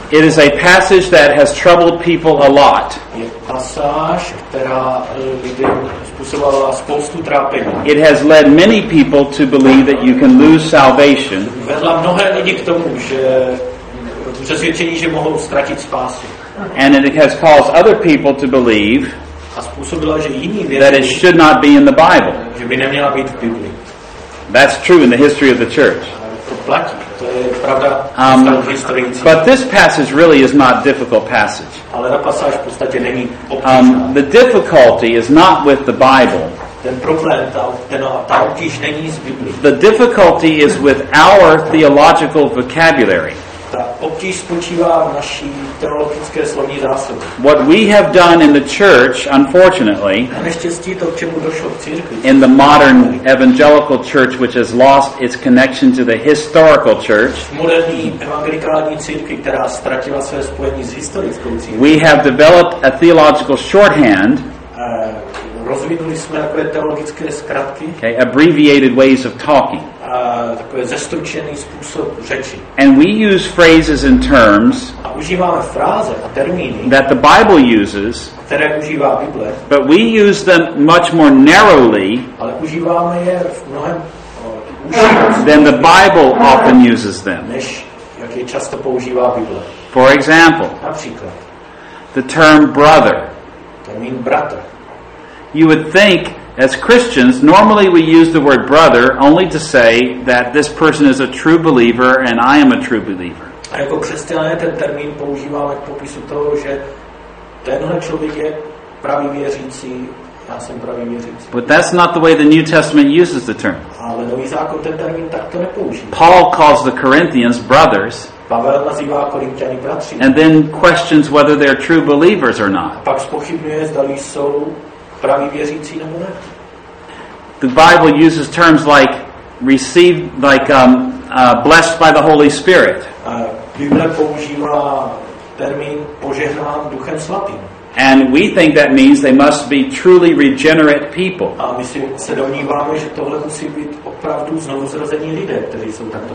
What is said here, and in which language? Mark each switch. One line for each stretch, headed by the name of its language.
English: It is a passage that has troubled people a lot.
Czech: Je pasáž, která způsobovala spoustu trápení.
English: It has led many people to believe that you can lose salvation.
Czech: Vedla mnohé lidi k tomu, že přesvědčení, že mohou ztratit spásu.
English: And it has caused other people to believe
Czech: a způsobila, že jiní věci,
English: that it should not be in the Bible.
Czech: Že by neměla být v Biblii.
English: That's true in the history of the church.
Czech: To platí. To je pravda,
English: but this passage really is not a difficult passage.
Czech: Ale ta pasáž v podstatě není obtížná.
English: The difficulty is not with the Bible.
Czech: Ten problém, ta obtíž není z Biblii.
English: The difficulty is with our theological vocabulary.
Czech: Ta obtíž spočívá v naší teologické slovní zásobě.
English: What we have done in the church, unfortunately,
Czech: a neštěstí to, k čemu došlo v církvi,
English: in the modern evangelical church, which has lost its connection to the historical church,
Czech: moderní evangelikální církvi, která ztratila své spojení s historickou církví,
English: we have developed a theological shorthand,
Czech: rozvinuli jsme takové teologické zkratky,
English: okay, abbreviated ways of talking,
Czech: takový zestručený způsob řeči.
English: And we use phrases and terms
Czech: a užíváme fráze a termíny,
English: that the Bible uses,
Czech: které užívá Bible,
English: but we use them much more narrowly,
Czech: ale užíváme je v mnohem
English: than the Bible often uses them.
Czech: Než jak je často používá Bible.
English: For example,
Czech: například,
English: the term brother.
Czech: Termín bratr.
English: You would think, as Christians, normally we use the word brother only to say that this person is a true believer and I am a true believer.
Czech: A jako křesťané ten termín používáme k popisu toho, že tenhle člověk je pravý věřící, já jsem pravý věřící.
English: But that's not the way the New Testament uses the term.
Czech: Ale Nový zákon ten termín takto nepoužívá.
English: Paul calls the Corinthians brothers.
Czech: Pavel nazývá Korinťany bratři.
English: And then questions whether they're true believers or not.
Czech: A pak spochybňuje, zdali jsou pravý věřící nebo ne.
English: The Bible uses terms like received, like blessed by the Holy Spirit.
Czech: Bible používá termín požehnán Duchem Svatým.
English: And we think that means they must be truly regenerate people.
Czech: A my se domníváme, že tohle musí být opravdu znovuzrození lidé, kteří jsou takto.